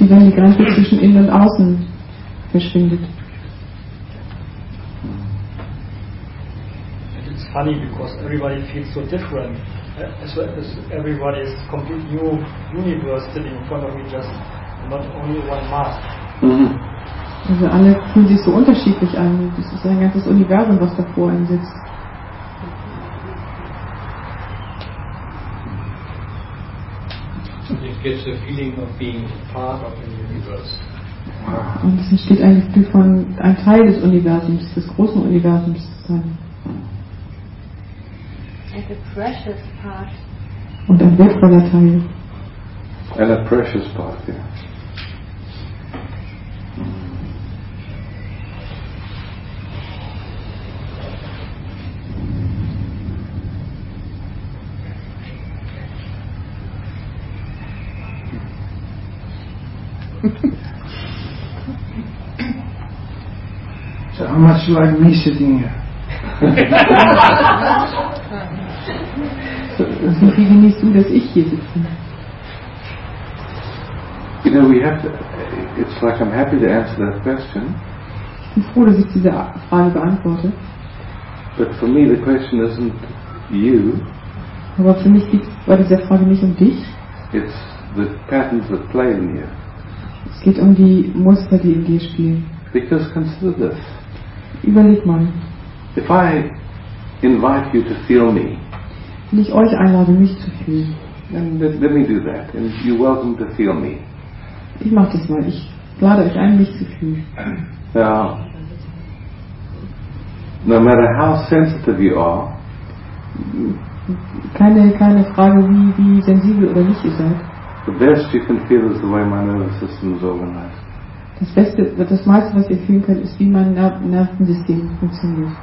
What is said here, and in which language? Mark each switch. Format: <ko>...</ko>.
<de>Wie wenn die Grenze zwischen innen und außen verschwindet.</de> <en>And it's funny because everybody feels so different. As everybody is complete new universe sitting in front of me, just not only one mask. Mm-hmm.</en> <de>Also alle fühlen sich so unterschiedlich an. Das ist ein ganzes Universum, was da vor ihnen sitzt.</de> <en>It gives a feeling of being part of the universe.</en> <de>Und es entsteht ein Gefühl von ein Teil des Universums, des großen Universums zu sein.</de> <en>And a precious part.</en> <de>Und ein wertvoller Teil.</de> <en>And a precious part, yeah. So how much like me sitting here?</en> <de>So wie genießt du, dass ich hier sitze?</de> <en>You know, we have to, it's like I'm happy to answer that question.</en> <de>Ich bin froh, dass ich diese Frage beantworte.</de> <en>But for me the question isn't you.</en> <de>Aber für mich war diese Frage nicht um dich.</de> <en>It's the patterns that play in here.</en> <de>Es geht um die Muster, die in dir spielen.</de> <en>Because consider this.</en> <de>Überleg mal.</de> <en>If I invite you to feel me.</en> <de>Wenn ich euch einlade, mich zu fühlen.</de> <en>Then let me do that, and you're welcome to feel me.</en> <de>Ich mach das mal. Ich lade euch ein, mich zu fühlen.</de> <en>Now, no matter how sensitive you are.</en> <de>Keine Frage, wie sensibel oder nicht ihr seid.</de> <en>The best you can feel is the way my nervous system is organized.</en> <de>Das meiste, was ihr fühlen könnt, ist, wie mein Nervensystem funktioniert.</de>